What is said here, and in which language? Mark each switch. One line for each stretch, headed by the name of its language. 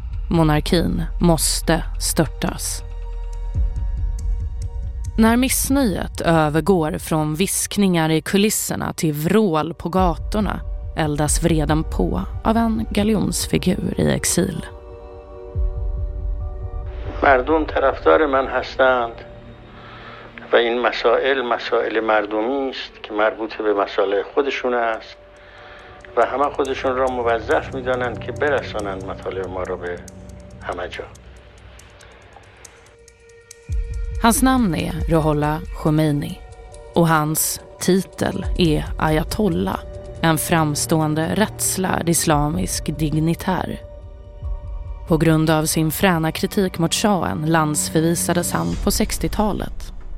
Swedish: Monarkin måste störtas. När missnöjet övergår från viskningar i kulisserna till vrål på gatorna eldas vreden på av en galjonsfigur i exil.
Persian: مردم طرفدار من هستند و این مسائل مسائل مردمی است که مربوط به مسائل خودشون است و همه خودشون را موظف می‌دانند که برسانند مطالب ما را به همه جا.
Swedish: Hans namn är Ruhollah Khomeini och hans titel är Ayatollah, en framstående rättslärd islamisk dignitär. På grund av sin fräna kritik mot shahen landsförvisades han på 60-talet.